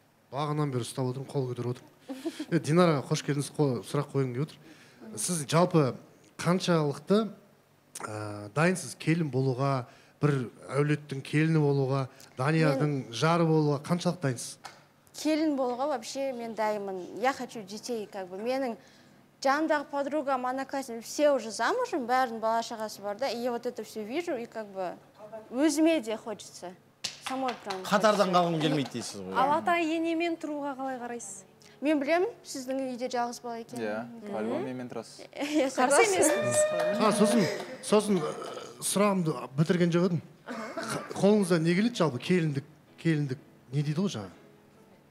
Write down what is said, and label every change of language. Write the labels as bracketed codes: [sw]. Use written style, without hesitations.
[kk] Бағынан бері ұстап отырмын, қол көтеріп отырмын. Динара, қош келдіңіз, сұрақ қойғым келіп отыр. Сіз жалпы қаншалықты дайынсыз келін болуға, бір әулеттің келіні болуға, Даниярдың жары болуға қаншалықты дайынсыз? Келін болуға [ru] вообще [kk] мен дайынмын. [ru] Я хочу детей, [kk] менің жанымдағы [ru] подруга, манаклассник, все уже замужем, [kk] бәрін бала шағасы бар, [ru] да, и я вот это все вижу, и как бы [kk] өзіме де [ru] хочется. [kk] Қатардан қалғым келмейді дейсіз ғой. Алатай енемен тұруға қалай қарайсыз? Мен білемін, сіздің үйде жалғыз бала екен. Иә, қалған менімен тұрасыз. Қарсы емесіз. Ха, сосын, сосын сұрағымды бітірген жоқ едім. Қолыңызда не келеді жалпы? Келіндік, келіндік не дейді ғой жаңа?